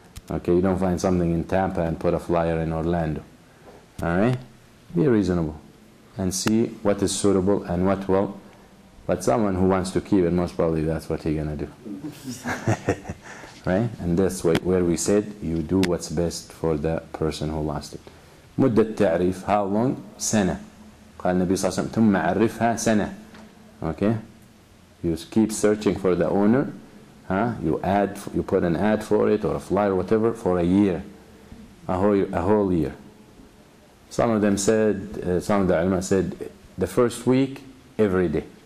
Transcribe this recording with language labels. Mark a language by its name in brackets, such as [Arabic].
[English] Okay, you don't find something in Tampa and put a flyer in Orlando. Alright? Be reasonable. And see what is suitable and what will. But someone who wants to keep it, most probably that's what he's going to do. Right? And that's where we said, you do what's best for the person who lost it. [Arabic] مدة تعريف, [English] how long? [Arabic] سنة. قال النبي صلى الله عليه وسلم, ثم عرفها سنة. [English] Okay? You keep searching for the owner. Huh? You add, you put an ad for it or a flyer, whatever, for a year, a whole year. Some of them said, some of the ulama said, the first week, every day.